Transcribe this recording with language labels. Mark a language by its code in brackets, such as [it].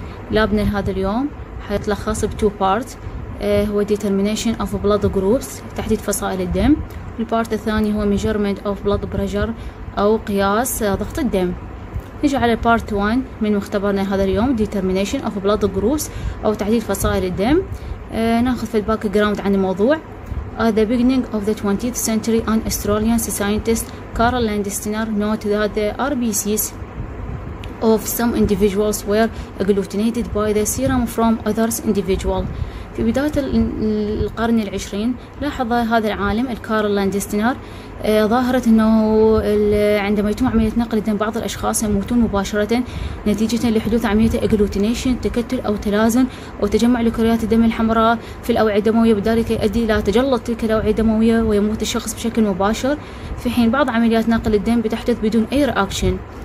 [ar] لابنا هذا اليوم حيتلخص بتو بارت، هو [en] Determination of Blood Groups، [ar] تحديد فصائل الدم. البارت الثاني هو [en] Measurement of Blood Pressure [ar] أو قياس ضغط الدم. نجي على البارت 1 من مختبرنا هذا اليوم، [en] Determination of Blood Groups [ar] أو تحديد فصائل الدم. ناخذ في الباك جراوند عن الموضوع. [en] At the beginning of the 20th century, an Australian scientist, Carl Landsteiner, noted that the RBCs of some individuals were agglutinated by the serum from others' individuals. [ar] في بداية القرن العشرين لاحظ هذا العالم الكارل لاندستينر ظاهرة أنه عندما يتم عملية نقل الدم بعض الأشخاص يموتون مباشرة نتيجة لحدوث عملية أجلوتينيشن، تكتل أو تلازن أو تجمع لكريات الدم الحمراء في الأوعية الدموية، بذلك يؤدي إلى تجلط تلك الأوعية الدموية ويموت الشخص بشكل مباشر، في حين بعض عمليات نقل الدم بتحدث بدون أي رياكشن.